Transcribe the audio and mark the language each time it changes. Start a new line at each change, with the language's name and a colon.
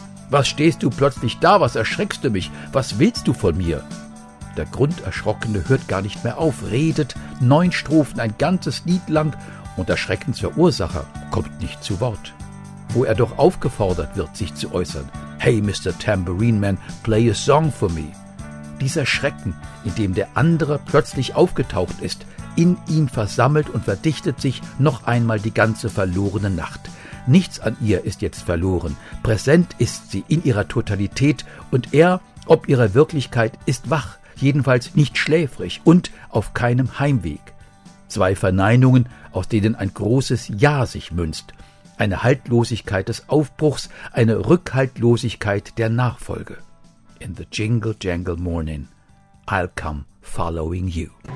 German: Was stehst du plötzlich da? Was erschreckst du mich? Was willst du von mir? Der Grunderschrockene hört gar nicht mehr auf, redet 9 Strophen ein ganzes Lied lang und der Schreckensverursacher kommt nicht zu Wort. Wo er doch aufgefordert wird, sich zu äußern.
English: Hey, Mr. Tambourine Man, play a song for me.
German: Dieser Schrecken, in dem der andere plötzlich aufgetaucht ist, in ihm versammelt und verdichtet sich noch einmal die ganze verlorene Nacht. Nichts an ihr ist jetzt verloren. Präsent ist sie in ihrer Totalität und er, ob ihrer Wirklichkeit, ist wach, jedenfalls nicht schläfrig und auf keinem Heimweg. 2 Verneinungen, aus denen ein großes Ja sich münzt. Eine Haltlosigkeit des Aufbruchs, eine Rückhaltlosigkeit der Nachfolge.
English: In the jingle jangle morning, I'll come following you.